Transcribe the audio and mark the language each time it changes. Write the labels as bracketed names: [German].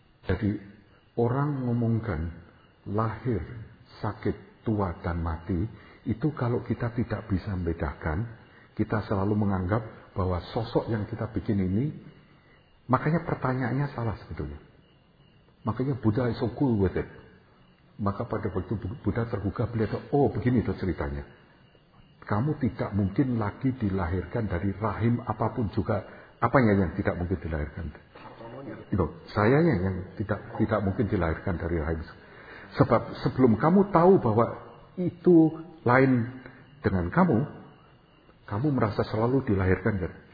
[Indonesian] Jadi orang ngomongkan lahir, sakit, tua, dan mati, itu kalau kita tidak bisa membedakan, kita selalu menganggap bahwa sosok yang kita bikin ini, makanya pertanyaannya salah sebetulnya. Makanya [English] Buddha is so cool with it. [Indonesian] Maka pada waktu Buddha terbuka, beliau tahu, oh begini tuh ceritanya. Kamu tidak mungkin lagi dilahirkan dari rahim apapun juga, Apanya yang tidak mungkin dilahirkan? Itu sayanya yang tidak mungkin dilahirkan dari rahim. Sebab sebelum kamu tahu bahwa itu lain dengan kamu, kamu merasa selalu dilahirkan kan?